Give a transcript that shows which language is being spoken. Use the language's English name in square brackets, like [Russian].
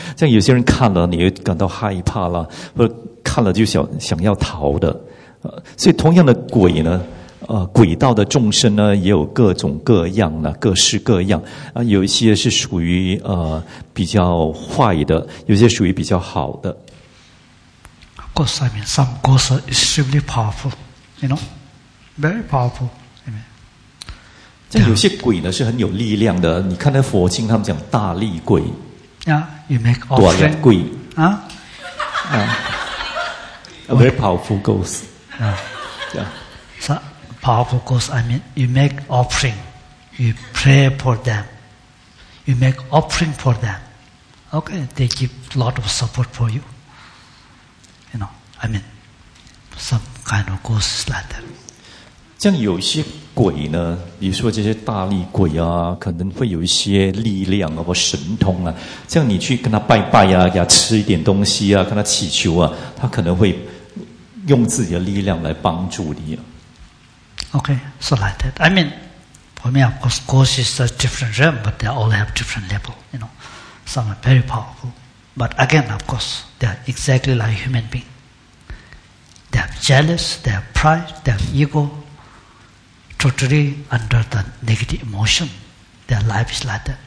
[Chinese] 像有些人看了你会感到害怕啦，或者看了就想要逃的。所以同样的鬼呢，鬼道的众生呢也有各种各样啦，各式各样。有一些是属于比较坏的，有些属于比较好的。 [English] Of course, I mean, some ghosts are extremely powerful, you know? Very powerful. Amen. [Chinese] 像有些鬼呢是很有力量的，你看那佛经他们讲大力鬼。 [English] Yeah, you make offering. [Chinese] 鬼啊。 [English] A very powerful ghost. Yeah. Yeah. So powerful ghost. I mean, you make offering. You pray for them. You make offering for them. Okay, they give a lot of support for you. You know, I mean, some kind of ghosts like that. [Chinese] 像有一些鬼呢，比如说这些大力鬼啊，可能会有一些力量啊，或神通啊。像你去跟他拜拜啊，给他吃一点东西啊，跟他祈求啊，他可能会用自己的力量来帮助你啊。 [English] Okay, so like that. I mean, for me, of course, ghost is a different realm, but they all have different level. You know, some are very powerful, but again, of course, they are exactly like human being. They are jealous, they are pride, they are ego. Totally under the negative emotion. Their life is like that.